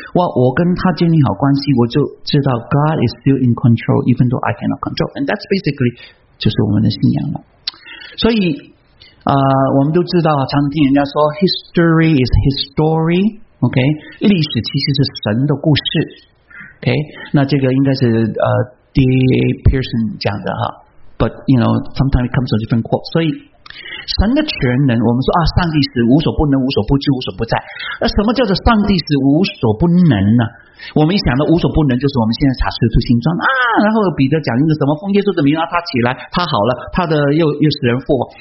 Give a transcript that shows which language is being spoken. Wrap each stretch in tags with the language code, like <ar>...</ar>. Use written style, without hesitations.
<zh>我跟他建立好关系，我就知道</zh> <en>God is still in control， even though I cannot control， and that's basically</en> <zh>就是我们的信仰了。所以我们都知道，常常听人家说</zh> <en>history is his story。</en> <zh>OK， 历史其实是神的故事。 OK， 那这个应该是D.A. Pearson 讲的哈。</zh> <en>But you know, sometimes it comes from different quotes。</en> <zh>所以神的全能，我们说啊，上帝是无所不能、无所不知、无所不在。那什么叫做上帝是无所不能呢？我们一想到无所不能，就是我们现在查使徒行传啊，然后彼得讲一个什么奉耶稣的名啊，他起来，他好了，他的又使人复活。</zh>